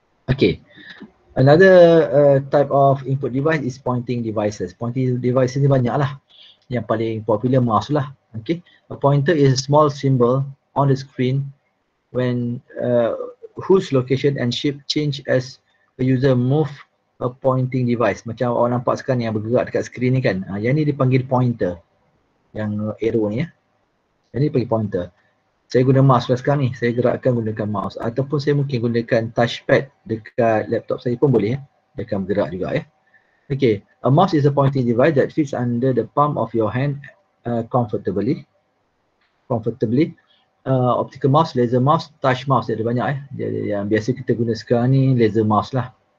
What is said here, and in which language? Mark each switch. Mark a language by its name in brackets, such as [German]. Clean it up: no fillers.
[English] Okay. Another type of input device is pointing devices. [Malay] Pointing devices ni banyak lah. Yang paling popular mouse lah. Okay. [English] A pointer is a small symbol on the screen when whose location and shape change as a user move a pointing device. [Malay] Macam orang nampak sekarang yang bergerak dekat screen ni kan. Yang ni dipanggil pointer. Yang arrow ni ya. Yang ni dipanggil pointer. Saya guna mouse lah sekarang ni. Saya gerakkan gunakan mouse. Ataupun saya mungkin gunakan touchpad dekat laptop saya pun boleh ya. Dia akan bergerak juga ya. Okay. [English] A mouse is a pointing device that fits under the palm of your hand comfortably. Optical mouse, laser mouse, touch mouse. [Malay] Dia ada banyak ya. Jadi yang biasa kita guna sekarang ni laser mouse lah.